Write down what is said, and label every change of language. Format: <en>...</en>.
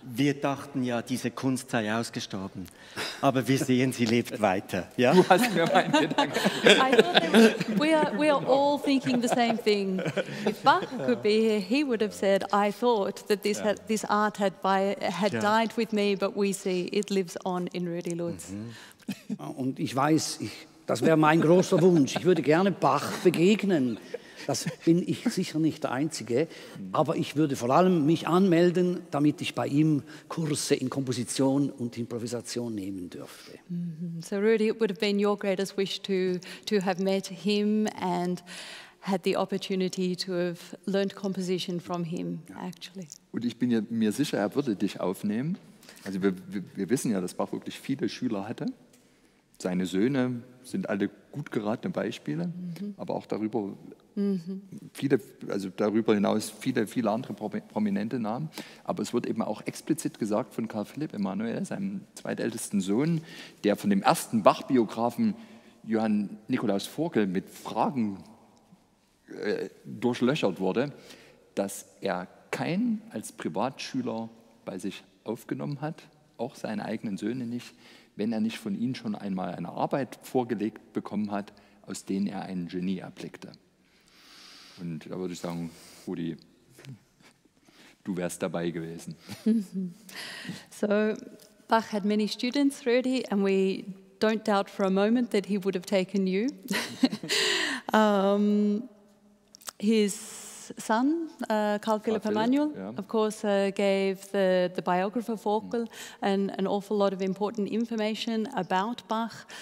<de>Wir dachten ja, diese Kunst sei ausgestorben. Aber wir sehen, sie lebt weiter. Ja? Du hast mir meinen Gedanken.</de> <en>We are all thinking the same thing. If Bach could be here, he would have said, I thought that this, had, this art had, by, had died with me, but we see it lives on in Rudi Lutz.</en> <de>Und ich weiß, das wäre mein großer Wunsch. Ich würde gerne Bach begegnen. Das bin ich sicher nicht der Einzige, aber ich würde vor allem mich anmelden, damit ich bei ihm Kurse in Komposition und Improvisation nehmen dürfte. Mm-hmm.</de> <en>So Rudi, it would have been your greatest wish to have met him and had the opportunity to have learned composition from him, actually.</en> <de>Und ich bin mir sicher, er würde dich aufnehmen. Also wir wissen ja, dass Bach wirklich viele Schüler hatte. Seine Söhne sind alle gut geratene Beispiele, aber auch darüber viele, also darüber hinaus viele, viele andere prominente Namen. Aber es wird eben auch explizit gesagt von Karl Philipp Emanuel, seinem zweitältesten Sohn, der von dem ersten Bach-Biografen Johann Nikolaus Forkel mit Fragen durchlöchert wurde, dass er keinen als Privatschüler bei sich aufgenommen hat, auch seine eigenen Söhne nicht, wenn er nicht von ihnen schon einmal eine Arbeit vorgelegt bekommen hat, aus denen er ein Genie erblickte. Und da würde ich sagen, Rudi, du wärst dabei gewesen.</de> <en>So, Bach had many students, Rudi, and we don't doubt for a moment that he would have taken you. His son, Karl Philipp Emanuel, of course, gave the biographer Forkel an awful lot of important information about Bach.</en>